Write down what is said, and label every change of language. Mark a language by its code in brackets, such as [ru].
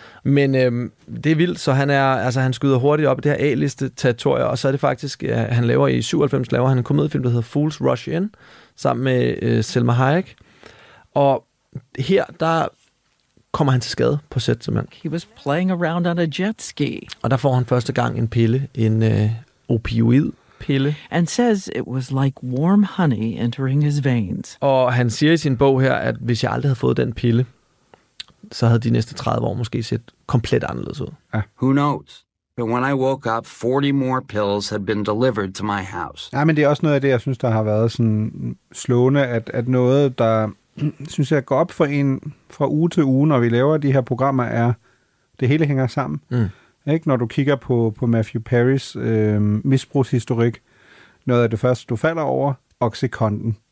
[da] Men det er vildt, så han er altså han skyder hurtigt op i det her A-liste territorie, og så er det faktisk han laver i 97 laver han en komediefilm der hedder Fools Rush In sammen med Selma Hayek. Og her der kommer han til skade på sæt, simpelthen. [en] He was playing around on a jet ski. [da] Og der får han første gang en pille, en opioid pille. [en] And says it was like warm honey entering his veins. [da] Og han siger i sin bog her, at hvis jeg aldrig havde fået den pille, så havde de næste 30 år måske set komplet anderledes ud. Ja. [en] Who knows? But when I woke up, 40 more pills had been delivered to my house. [da] Ja, men det er også noget af det, jeg synes, der har været sådan slående, at noget, der synes jeg går op for en fra uge til uge, når vi laver de her programmer, er, det hele hænger sammen. Mm. Ikke? Når du kigger på Matthew Perrys misbrugshistorik, noget af det første, du falder over, Oxycontin.